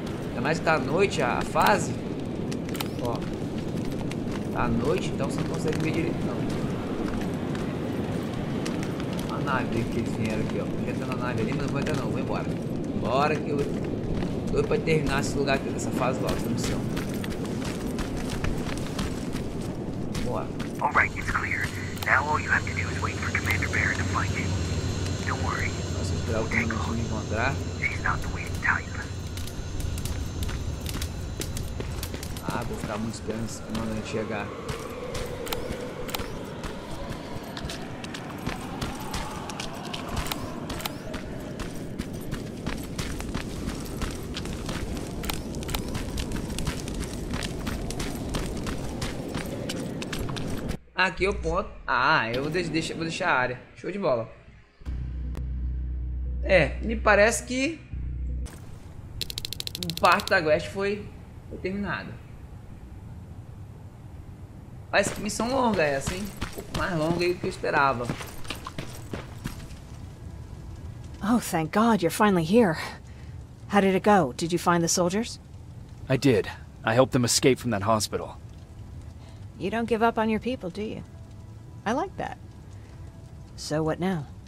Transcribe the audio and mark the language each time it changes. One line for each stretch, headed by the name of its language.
Portuguese: Ainda mais que tá à noite a fase. Ó. Tá à noite, então você não consegue ver direito não. A nave que eles vieram aqui, ó. Entrando na nave ali, mas não vou entrar não, vou embora. Bora que eu... Doido pra terminar esse lugar aqui, dessa fase logo, essa missão. Bora.
English: All right, it's clear. Now all you have to do is wait for Commander Baron to find you. Don't worry.
Portuguese: Nossa, espera o tempo de me encontrar.
English: She's not the wind type.
Portuguese: Ah, vou ficar muito esperando esse comandante chegar. Aqui eu ponto. Ah, eu vou deixar a área. Show de bola. É, me parece que o parto da Quest foi terminado. Mas que missão longa essa, hein? Um pouco mais longa do que eu esperava.
English: Oh, thank God, you're finally here. How did it go? Did you find the soldiers? I did. I helped them escape from that hospital. You don't give up on your people, do you? I like that. So what now?